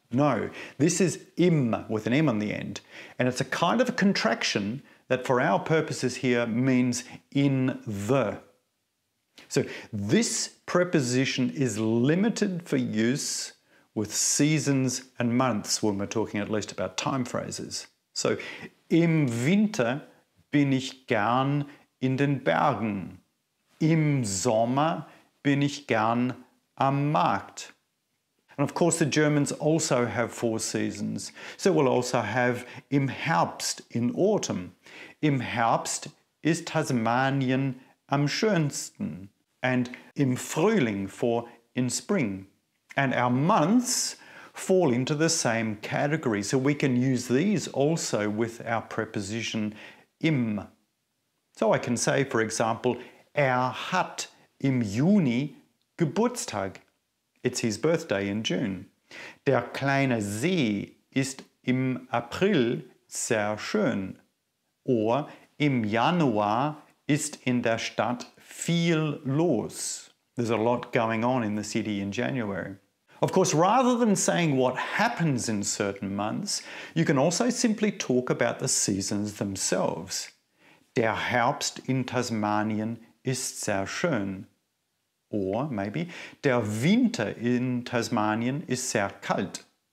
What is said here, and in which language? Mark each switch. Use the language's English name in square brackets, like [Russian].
[English] No, this is im, with an M on the end. And it's a kind of a contraction that for our purposes here means in the. So this preposition is limited for use with seasons and months when we're talking at least about time phrases. [German] So, im Winter bin ich gern in den Bergen. Im Sommer bin ich gern am Markt. [English] And of course, the Germans also have four seasons. So we'll also have [German] im Herbst [English] in autumn. [German] Im Herbst ist Tasmanien am schönsten. [English] And [German] im Frühling [English] for in spring. And our months fall into the same category. So we can use these also with our preposition im. So I can say, for example, [German] er hat im Juni Geburtstag. [English] It's his birthday in June. [German] Der kleine See ist im April sehr schön. Or, im Januar ist in der Stadt viel los. [English] There's a lot going on in the city in January. Of course, rather than saying what happens in certain months, you can also simply talk about the seasons themselves. [German] Der Herbst in Tasmanien ist sehr schön. [English] Or maybe, [German] der Winter in Tasmanien ist sehr kalt.